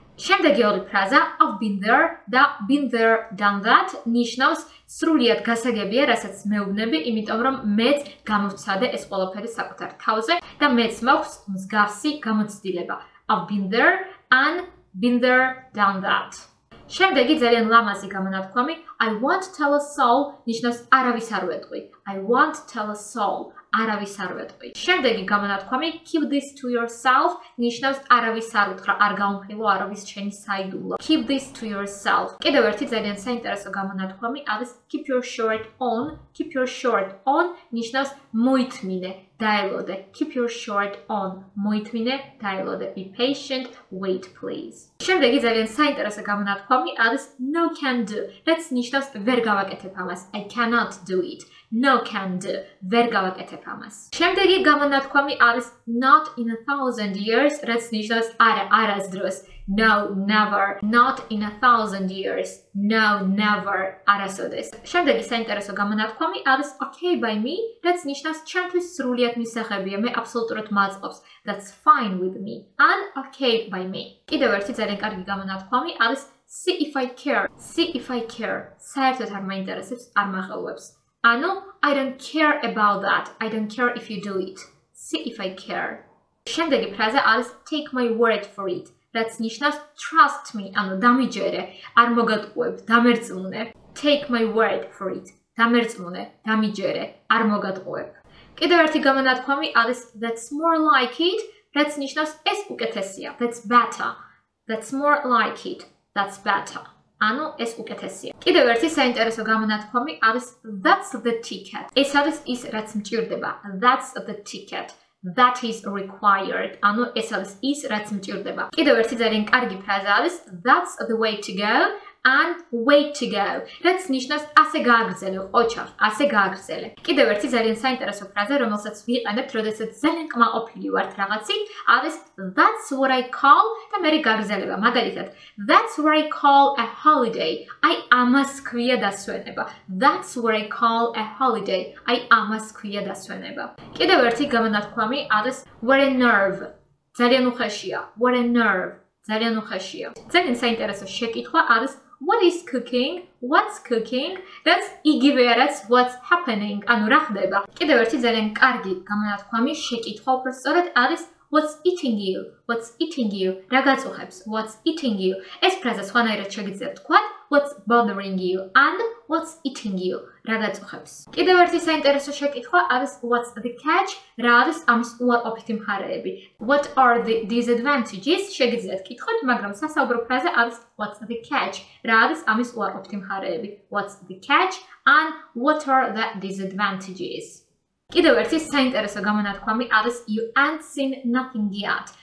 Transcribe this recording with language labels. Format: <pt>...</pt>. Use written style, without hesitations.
<ka>შემდეგი ორი ფრაზა</ka> <en>I've been there</en> <ka>და</ka> <en>been there done that</en> <ka>ნიშნავს სრულიად გასაგებია, რასაც მეუბნები, იმიტომ რომ მეც გამოვცადე ეს ყველაფერი საკუთარ თავზე და მეც მაქვს მსგავსი გამოცდილება.</ka> <en>I've been there and been there done that.</en> <ka>შემდეგი ძალიან ლამაზი გამონათქვამი</ka> <en>I won't tell a soul</en> <ka>ნიშნავს არავის არ ვეტყვი.</ka> <en>I won't tell a soul,</en> <ka>არავის არ ვეტყვი. შემდეგი გამონათქვამი</ka> <en>keep this to yourself</en> <ka>ნიშნავს არავის არ უთხრა, არ გაუმხილო არავის შენი საიდუმლო.</ka> <en>Keep this to yourself.</en> <ka>კიდევ ერთი ძალიან საინტერესო გამონათქვამი არის</ka> <en>keep your shirt on. Keep your shirt on</en> <ka>ნიშნავს მოითმინე, დაელოდე.</ka> <en>Keep your shirt on,</en> <ka>მოითმინე, დაელოდე.</ka> <en>Be patient, wait please.</en> <ka>შემდეგი ძალიან საინტერესო გამონათქვამი არის</ka> <en>no can do,</en> <ka>რაც ნიშნავს ვერ გავაკეთებ ამას.</ka> <en>I cannot do it. No can do,</en> <ka>ვერ გავაკეთებ ამას. შემდეგი გამონათქვამი არის</ka> <en>not in a thousand years,</en> <ka>რაც ნიშნავს არა, არასდროს.</ka> <en>No, never. Not in a thousand years. No, never.</en> <ka>არასოდეს. შემდეგი საინტერესო გამონათქვამი არის</ka> <en>okay by me,</en> <ka>რაც ნიშნავს ჩემთვის სრულიად მისაღებია, მე აბსოლუტურად მაწყობს.</ka> <en>That's fine with me. And okay by me.</en> <ka>კიდევ ერთი ძალიან კარგი გამონათქვამი არის</ka> <en>see if I care. See if I care.</en> <ka>საერთოდ არ მაინტერესებს, არ მაღელვებს.</ka> <en>Ano, I don't care about that. I don't care if you do it. See if I care.</en> <ka>შემდეგი ფრაზა არის</ka> <en>take my word for it.</en> <ka>რაც ნიშნავს</ka> <en>trust me,</en> <ka>ანუ დამიჯერე, არ მოგატყუებ, დამერწმუნე.</ka> <en>Take my word for it.</en> <ka>დამერწმუნე, დამიჯერე, არ მოგატყუებ. Კიდევ ერთი გამონათქვამი არის</ka> <en>that's more like it,</en> <ka>რაც ნიშნავს ეს უკეთესია.</ka> <en>That's better. That's more like it. That's better.</en> <ka>ანუ ეს უკეთესია. კიდევ ერთი საინტერესო გამონათქვამი არის</ka> <en>that's the ticket.</en> <ka>ეს არის ის, რაც მჭირდება.</ka> <en>That's the ticket. That is required.</en> <ka>Ანუ ეს არის ის, რაც მჭირდება. კიდევ ერთი ძალიან კარგი ფრაზა არის</ka> <en>that's the way to go and wait to go.</en> <ka>რაც ნიშნავს ასე გააგრძელე, ოჩა, ასე გააგრძელე. კიდევ ერთი ძალიან საინტერესო ფრაზა, რომელსაც ვიყენებ, როდესაც ძალიან კმაყოფილი ვარ რაღაცით, არის</ka> <en>that's what I call</en> <ka>და მე გაგრძელება. მაგალითად,</ka> <en>that's what I call a holiday.</en> <ka>აი ამას ქვია დასვენება.</ka> <en>That's what I call a holiday.</en> <ka>აი ამას ქვია დასვენება. კიდევ ერთი გამონათქვამი არის</ka> <en>what a nerve.</en> <ka>ძალიან უხეშია. What a nerve. ძალიან უხეშია. ძალიან საინტერესო შეკითხვა არის</ka> <en>what is cooking? What's cooking? That's</en> <ka>იგივე რაც</ka> <en>what's happening.</en> <ka>ანუ რა ხდება. კიდევ ერთი ძალიან კარგი გამონათქვამი შეკითხვა უფრო სწორედ არის</ka> <en>what's eating you? What's eating you?</en> <ka>რა გაწუხებს?</ka> <en>What's eating you?</en> <ka>ეს ფრაზა სხვანაირად შეგიძლიათ თქვათ</ka> <en>what's bothering you and what's eating you?</en> <ka>რა გაწუხებს? კიდევ ერთი საინტერესო შეკითხვა არის</ka> <en>what's the catch?</en> <ka>რა არის ამის უარყოფითი მხარეები?</ka> <en>What are the disadvantages?</en> <ka>შეგიძლიათ კითხოთ, მაგრამ სასაუბრო ფრაზა არის</ka> <en>what's the catch?</en> <ka>რა არის ამის უარყოფითი მხარეები?</ka> <en>What's the catch and what are the disadvantages?</en> <ka>კიდევ ერთი საინტერესო გამონათქვამი არის</ka> <en>you ain't seen nothing yet.</en>